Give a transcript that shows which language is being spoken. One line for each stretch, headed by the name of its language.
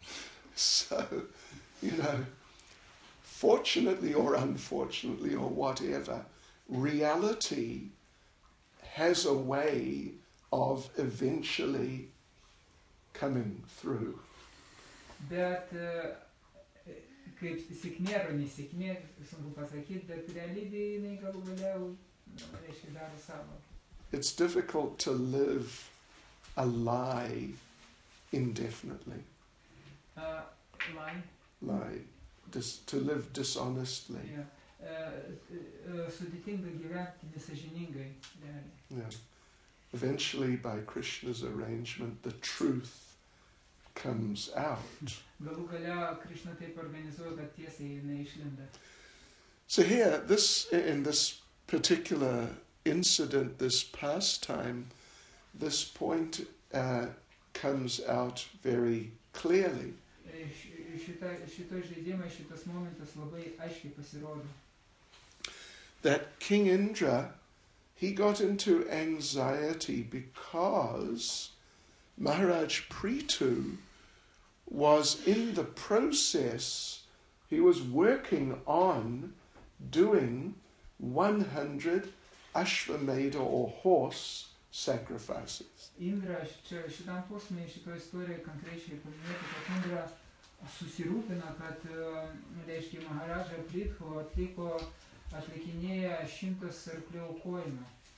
English: were, so, you know, fortunately or unfortunately or whatever, reality has a way of eventually coming through.
Lithuanian: Bet kaip sėkmė ar nesėkmė, sunku pasakyti, bet realybė jinai galų galiau, reiškia, daro savo.
English: It's difficult to live a lie indefinitely. Lie. To live dishonestly. Yeah.
Lithuanian: Sudėtinga gyventi nesąžiningai.
English: Eventually, by Krishna's arrangement, the truth comes out.
Lithuanian: Galų galia, Krishna taip organizuoja, kad tiesa jinai išlenda.
English: So here, this in this particular incident, this pastime, this point comes out very clearly.
Lithuanian: Šitas žaidimas, šitas momentas labai aiškiai pasirodo.
English: That King Indra, he got into anxiety because Maharaj Prithu was in the process, he was working on doing 100 Ashwamedha or horse sacrifices.
Lithuanian: Indra, šitam posmė, šitoj istorijoj konkrečiai paminėti, kad Indra susirūpina, kad, reiškia, Maharaj Prithu atlikinėja 100 arklių aukojimą.